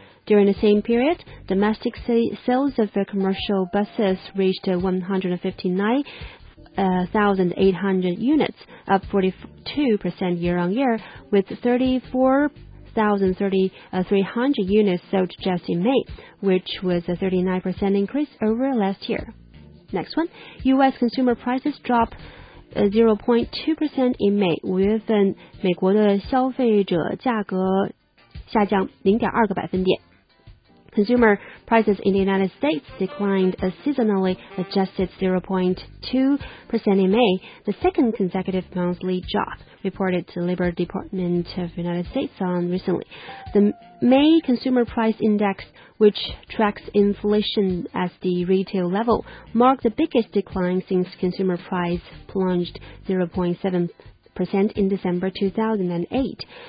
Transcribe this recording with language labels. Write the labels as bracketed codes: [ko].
[en] During the same period, domestic sales of commercial buses reached 159,800 units, up 42% year-on-year, with 34,300 units sold just in May, which was a 39% increase over last year. Next one, U.S. consumer prices drop 0.2% in May. [zh] 五月份美国的消费者价格下降0.2%。 [en] Consumer prices in the United States declined a seasonally adjusted 0.2% in May, the second consecutive monthly drop, reported the Labor Department of the United States on recently. The May Consumer Price Index, which tracks inflation at the retail level, marked the biggest decline since consumer price plunged 0.7% in December 2008.